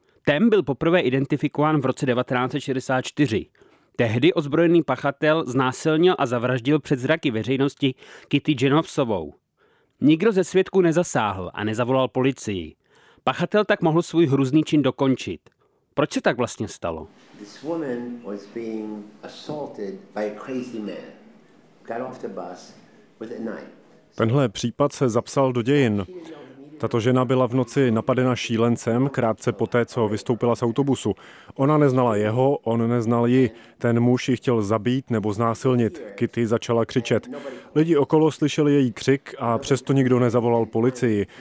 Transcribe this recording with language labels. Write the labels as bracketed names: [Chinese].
[Czech] Ten byl poprvé identifikován v roce 1964. Tehdy ozbrojený pachatel znásilnil a zavraždil před zraky veřejnosti Kitty Jenovsovou. Nikdo ze svědků nezasáhl a nezavolal policii. Pachatel tak mohl svůj hrůzný čin dokončit. Proč se tak vlastně stalo? [English] This woman was being assaulted by a crazy man. Got off the bus with a knife. [Czech] Tenhle případ se zapsal do dějin. Tato žena byla v noci napadena šílencem krátce poté, co vystoupila z autobusu. Ona neznala jeho, on neznal ji. Ten muž ji chtěl zabít nebo znásilnit. Kitty začala křičet. Lidi okolo slyšeli její křik a přesto nikdo nezavolal policii.